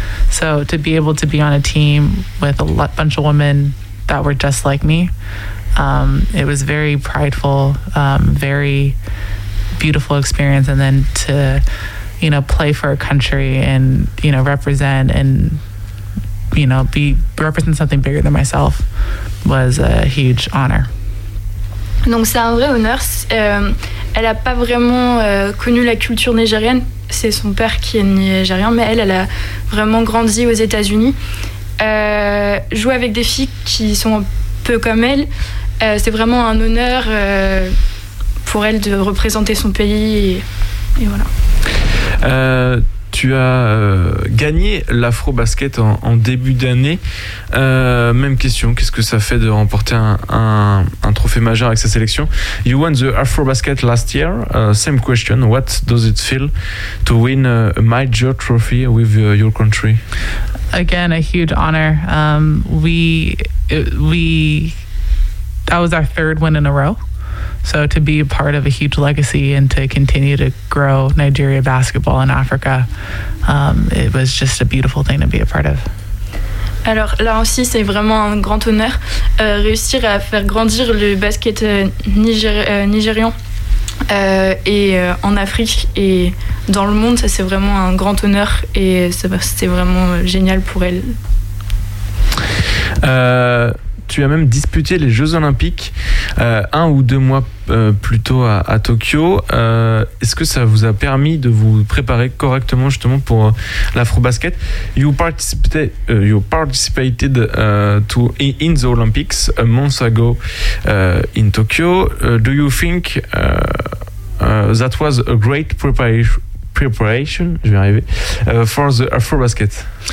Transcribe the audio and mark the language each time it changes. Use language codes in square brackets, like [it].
[en] So to be able to be on a team with a bunch of women that were just like me, it was very prideful, very beautiful experience. And then to, you know, play for a country and, you know, represent and, you know, represent something bigger than myself was a huge honor. [fr] Donc c'est un vrai honneur. Elle n'a pas vraiment connu la culture nigérienne. C'est son père qui est nigérien, mais elle a vraiment grandi aux États-Unis. Jouer avec des filles qui sont un peu comme elle, c'est vraiment un honneur pour elle de représenter son pays. Et voilà. Tu as gagné l'Afro-Basket en début d'année. Même question, qu'est-ce que ça fait de remporter un trophée majeur avec sa sélection? [en] You won the Afro-Basket last year. Same question, what does it feel to win a major trophy with your country? Again, a huge honor. That was our third win in a row. So to be a part of a huge legacy and to continue to grow Nigeria basketball in Africa, it was just a beautiful thing to be a part of. [fr] Alors là aussi, c'est vraiment un grand honneur. Réussir à faire grandir le basket nigérian et en Afrique et dans le monde, ça c'est vraiment un grand honneur et c'était vraiment génial pour elle. Tu as même disputé les Jeux Olympiques un ou deux mois plus tôt à Tokyo. Est-ce que ça vous a permis de vous préparer correctement justement pour l'Afro-Basket? [en] You participated in the Olympics a month ago in Tokyo. Do you think that was a great preparation for the Afro-Basket?